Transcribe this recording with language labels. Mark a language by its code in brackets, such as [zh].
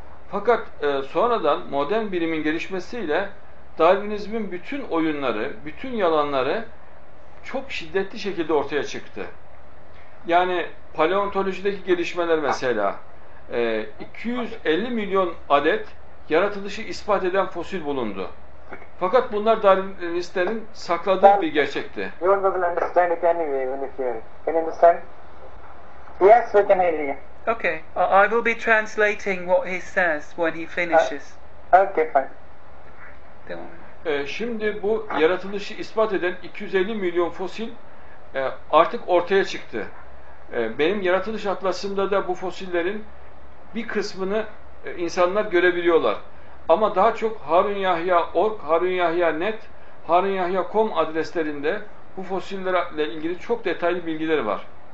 [tr] Fakat sonradan modern bilimin gelişmesiyle Darwinizmin bütün oyunları, bütün yalanları çok şiddetli şekilde ortaya çıktı. Yani paleontolojideki gelişmeler mesela 250 milyon adet yaratılışı ispat eden fosil bulundu. Fakat bunlar Darwinistlerin sakladığı bir gerçekti. [en] You won't be able to understand it anyway when you hear it. Can you understand? Yes, we can hear you. Okay, I will be translating what he says when he finishes. Okay, fine. [tr] Şimdi bu yaratılışı ispat eden 250 milyon fosil artık ortaya çıktı. Benim yaratılış atlasımda da bu fosillerin bir kısmını insanlar görebiliyorlar. Ama daha çok harunyahya.org, harunyahya.net, harunyahya.com adreslerinde bu fosillerle ilgili çok detaylı bilgiler var.